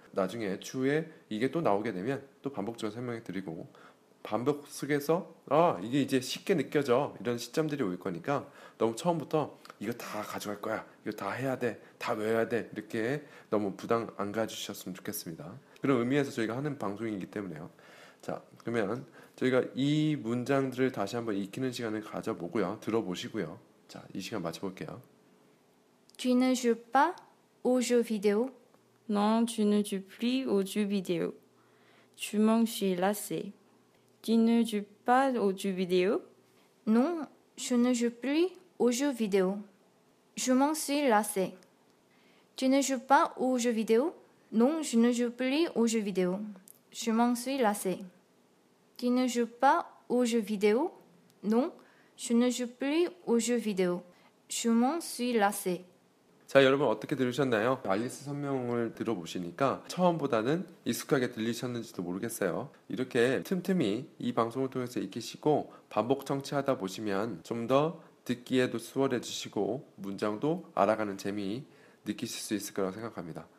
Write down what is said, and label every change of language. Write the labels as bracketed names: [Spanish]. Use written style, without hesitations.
[Korean] 나중에 추후에 이게 또 나오게 되면 또 반복적으로 설명해 드리고 반복 속에서 이게 이제 쉽게 느껴져 이런 시점들이 올 거니까 너무 처음부터 이거 다 가져갈 거야 이거 다 해야 돼 다 외워야 돼 이렇게 너무 부담 안 가지셨으면 좋겠습니다. 그런 의미에서 저희가 하는 방송이기 때문에요. 자 그러면 저희가 이 문장들을 다시 한번 익히는 시간을 가져보고요 들어보시고요. 자 이 시간 마쳐볼게요. [French] Tu ne joues pas aux jeux vidéo? Non, tu ne joues plus aux jeux vidéo. Tu m'en suis lassé. Tu ne joues pas aux jeux vidéo? Non, je ne joue plus aux jeux vidéo. Je m'en suis lassé. Tu ne joues pas aux jeux vidéo? Non, je ne joue plus aux jeux vidéo. Je m'en suis lassé. Tu ne joues pas aux jeux vidéo? Non, je ne joue plus aux jeux vidéo. Je m'en suis lassé. [Korean] 자 여러분 어떻게 들으셨나요? 알리스 설명을 들어보시니까 처음보다는 익숙하게 들리셨는지도 모르겠어요. 이렇게 틈틈이 이 방송을 통해서 익히시고 반복 청취하다 보시면 좀 더 듣기에도 수월해지시고 문장도 알아가는 재미 느끼실 수 있을 거라고 생각합니다.